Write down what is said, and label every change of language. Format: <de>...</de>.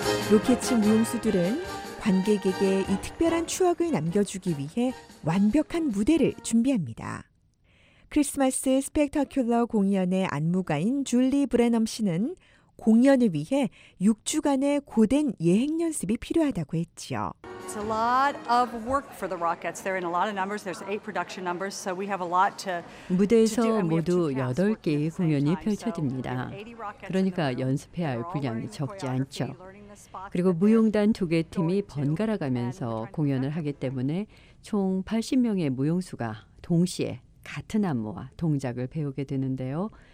<ko>로켓츠 무용수들은 관객에게 이 특별한 추억을 남겨주기 위해 완벽한 무대를 준비합니다. 크리스마스 스펙터큘러 공연의 안무가인 줄리 브레넘 씨는 공연을 위해 6주간의 고된 예행 연습이 필요하다고 했지요.</ko> <en>It's a lot of work for the Rockets. They're in a lot of numbers. There's 8 production numbers, so we have a lot to.</en> <ko>무대에서 모두 8개의 공연이 펼쳐집니다. 그러니까 연습해야 할 분량이 적지 않죠. 그리고 무용단 두 개 팀이 번갈아 가면서 공연을 하기 때문에 총 80명의 무용수가 동시에 같은 안무와 동작을 배우게 되는데요.</ko>